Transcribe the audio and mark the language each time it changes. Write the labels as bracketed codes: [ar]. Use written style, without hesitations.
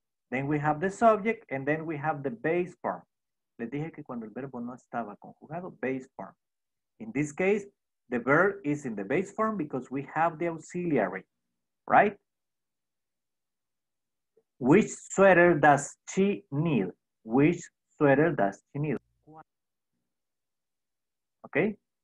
[en] Then we have the subject, and then we have the base form. [es] Les dije que cuando el verbo no estaba conjugado, base form. [en] In this case, the verb is in the base form because we have the auxiliary, right? Which sweater does she need? Which sweater does she need? Okay.